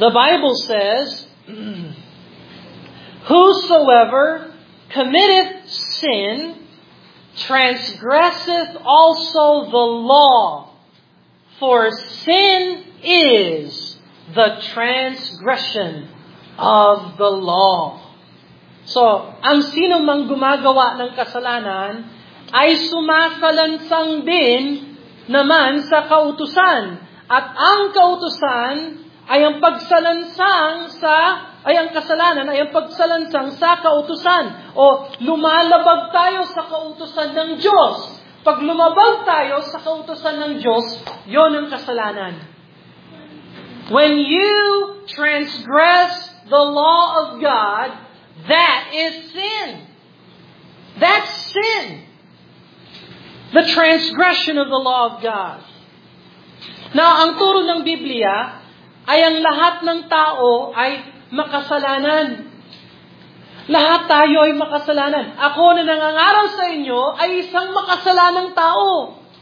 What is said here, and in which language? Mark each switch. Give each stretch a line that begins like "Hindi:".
English: The Bible says, "Whosoever committeth sin transgresseth also the law, for sin is the transgression of the law."
Filipino: So, ang sino mang gumagawa ng kasalanan ay sumasalansang din naman sa kautusan. At ang kautusan ay ang pagsalansang sa, ay ang kasalanan ay ang pagsalansang sa kautusan. O lumalabag tayo sa kautusan ng Diyos. Pag lumabag tayo sa kautusan ng Diyos, yon ang kasalanan.
English: When you transgress the law of God, that is sin. That's sin. The transgression of the law of God.
Filipino: Now, ang turo ng Biblia ay ang lahat ng tao ay makasalanan. Lahat tayo ay makasalanan. Ako na nangangaral sa inyo ay isang makasalanang tao.